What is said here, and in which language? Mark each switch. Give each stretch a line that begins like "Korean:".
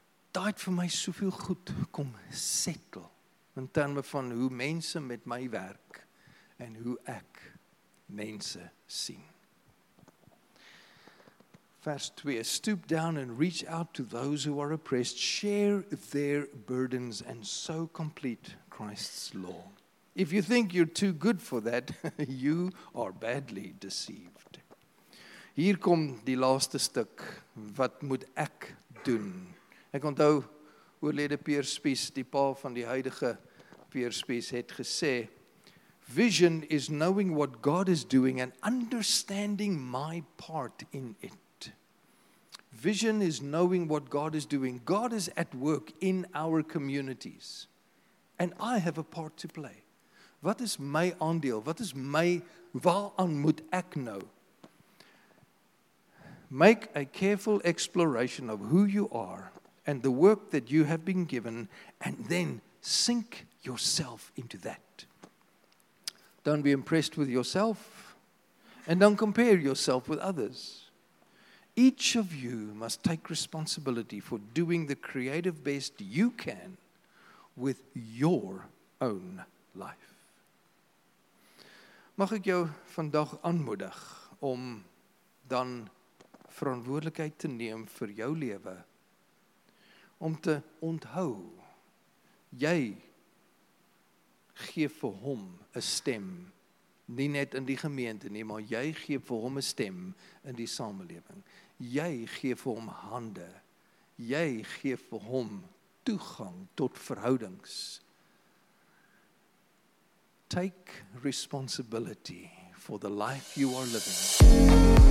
Afrikaans: Daai het vir my soveel goed kom settle in terme van hoe mense met my werk en hoe ek mense sien.
English: Vers 2, stoop down and reach out to those who are oppressed, share their burdens and so complete Christ's law. If you think you're too good for that, you are badly deceived.
Afrikaans: Hier kom die laaste stuk, wat moet ek doen? Ek onthou, oorlede Pierre Spies, die pa van die huidige Pierre Spies, het gesê,
English: vision is knowing what God is doing and understanding my part in it. Vision is knowing what God is doing. God is at work in our communities. And I have a part to play.
Afrikaans: Wat is my aandeel? Wat is my, waaraan moet ek nou?
English: Make a careful exploration of who you are and the work that you have been given and then sink yourself into that. Don't be impressed with yourself and don't compare yourself with others. Each of you must take responsibility for doing the creative best you can with your own life.
Afrikaans: Mag ek jou vandag aanmoedig om dan verantwoordelikheid te neem vir jou lewe, om te onthou, jy gee vir hom 'n stem, nie net in die gemeente nie, maar jy gee vir hom 'n stem in die samelewing. Jy gee vir hom hande, jy gee vir hom toegang tot verhoudings.
English: Take responsibility for the life you are living.